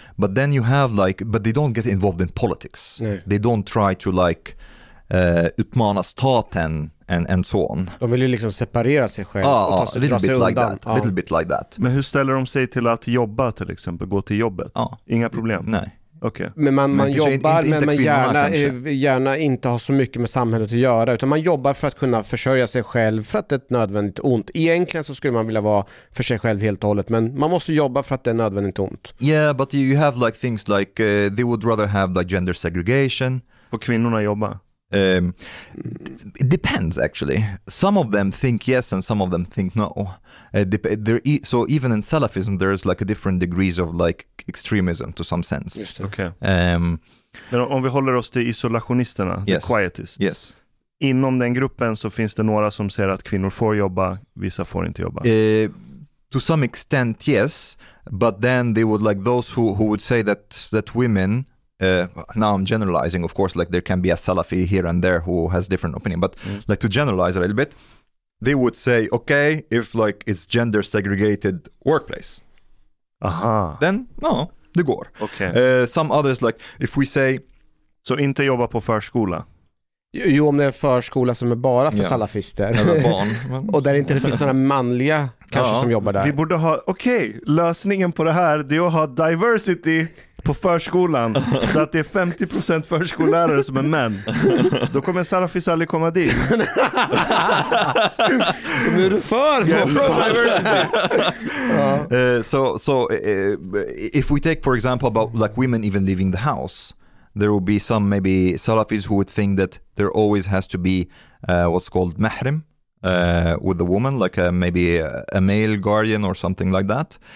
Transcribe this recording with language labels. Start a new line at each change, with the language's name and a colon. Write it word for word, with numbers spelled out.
English: But then you have like, but they don't get involved in politics. No. They don't try to like uh,
Swedish: utmana staten
English: and, and so on.
Swedish: De vill ju liksom separera sig själva ah, och ta sig,
English: ah, little
Swedish: dra sig
English: bit
Swedish: undan.
English: Like that, ah. Little bit like that.
Swedish: Men hur ställer de sig till att jobba till exempel? Gå till jobbet? Ah. Inga problem? Nej.
English: Okay.
Swedish: Men man, man men jobbar, in, men man gärna, gärna inte har så mycket med samhället att göra, utan man jobbar för att kunna försörja sig själv, för att det är ett nödvändigt ont. Egentligen så skulle man vilja vara för sig själv helt och hållet, men man måste jobba för att det är nödvändigt ont.
English: Yeah, but you have like things like uh, they would rather have like gender segregation.
Swedish: Får kvinnorna jobba?
English: Um, it depends actually. Some of them think yes and some of them think no. Uh, dep- e- so even in Salafism there's like a different degrees of like extremism to some sense.
Swedish: Just det. Okay. Um, Men om vi håller oss till isolationisterna,
English: yes, the quietists. Yes.
Swedish: Inom den gruppen så finns det några som säger att kvinnor får jobba, vissa får inte jobba.
English: Uh, to some extent yes, but then they would like those who who would say that that women Uh, now I'm generalizing, of course, like there can be a Salafi here and there who has different opinion, but mm. like to generalize a little bit, they would say, okay, if like it's gender segregated workplace, aha, then no,
Swedish: det går.
English: Okay. Uh, some others like if we say,
Swedish: så inte jobba på förskola. Jo, om det är en förskola som är bara för yeah. salafister. Eller barn. Och där inte det finns några manliga kanske ja. Som jobbar där. Vi borde ha, okej, okay, lösningen på det här det är att ha diversity på förskolan så att det är femtio procent förskollärare som är män. Då kommer salafis aldrig komma dit. Så nu är du för diversity. Ja.
English: Uh, so so uh, if we take for example about like women even leaving the house, there will be some maybe Salafis who would think that there always has to be uh, what's called mahrim uh, with the woman, like a, maybe a, a male guardian or something like that.